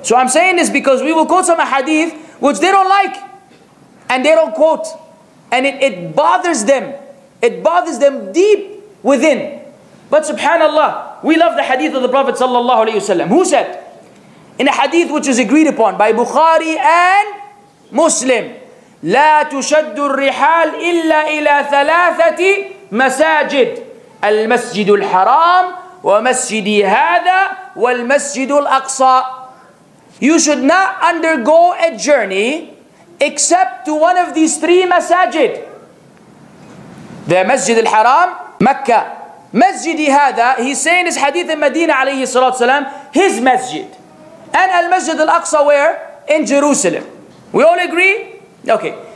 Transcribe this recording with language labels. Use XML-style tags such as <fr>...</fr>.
<en>So I'm saying this because we will quote some hadith which they don't like. And they don't quote. And it bothers them. It bothers them deep within. But subhanallah, We love the hadith of the Prophet sallallahu alayhi wasallam. Who said? In a hadith which is agreed upon by Bukhari and Muslim.</en> <ar>لا تشد الرحال إلا إلى ثلاثة مساجد المسجد الحرام ومسجد هذا والمسجد الأقصى.</ar> <en>You should not undergo a journey except to one of these three masajid. The Masjid al-Haram, Mecca. Masjid هذا, he's saying his hadith in Medina</en> <ar>عليه الصلاة والسلام,</ar> <en>his masjid. And al-Masjid al-Aqsa where? In Jerusalem. We all agree? Okay.</en>